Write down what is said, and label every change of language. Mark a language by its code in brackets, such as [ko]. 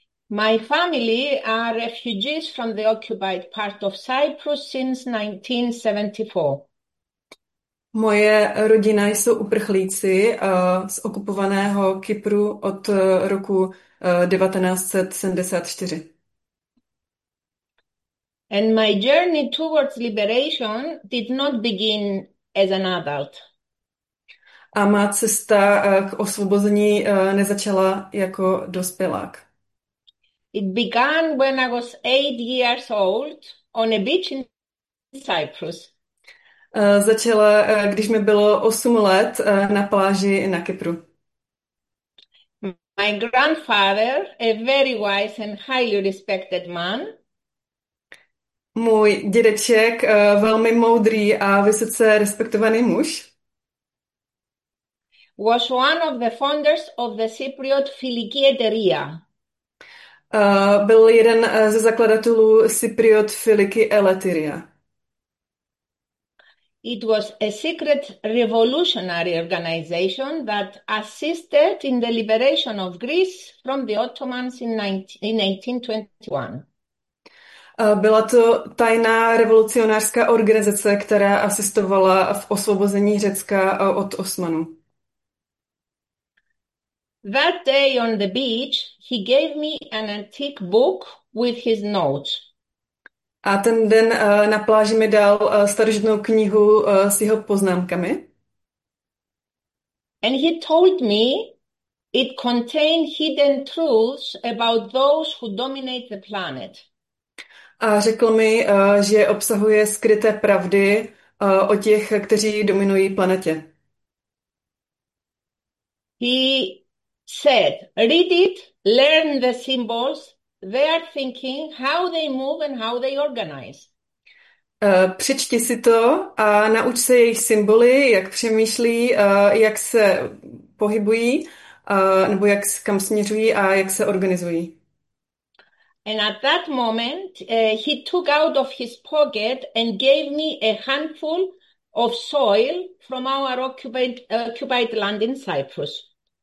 [en] My family are refugees from the occupied part of Cyprus since 1974. [cs] Moje rodina jsou uprchlíci z okupovaného Kypru od roku 1974. [en] And my journey towards liberation did not begin as an adult. [cs] A má cesta k osvobození nezačala jako dospělák. [en] It began when I was 8 years old on a beach in Cyprus. [cs] Začala, když mi bylo 8 let, na pláži na Kypru. [en] My grandfather, a very wise and highly respected man, [cs] Můj dědeček, velmi moudrý a vysoce respektovaný muž. [en] was one of the founders of the Cypriot Filiki [cs] Byl jeden ze zakladatelů Cypriot Filiki Eletiria. [en] Eteria. It was a secret revolutionary organization that assisted in the liberation of Greece from the Ottomans in 1821. [cs] Byla to tajná revolucionářská organizace, která asistovala v osvobození Řecka od Osmanů. [en] That day on the beach, he gave me an antique book with his notes. [cs] A ten den na pláži mi dal starožitnou knihu s jeho poznámkami. [en] And he told me it contained hidden truths about those who dominate the planet. [cs] A řekl mi, že obsahuje skryté pravdy o těch, kteří dominují planetě. [en] He said, read it, learn the symbols, their thinking, how they move and how they organize. [cs] Přečti si to a nauč se jejich symboly, jak přemýšlí, jak se pohybují, nebo kam směřují a jak se organizují. [en] And at that moment, he took out of his pocket and gave me a handful of soil from our occupied land in Cyprus.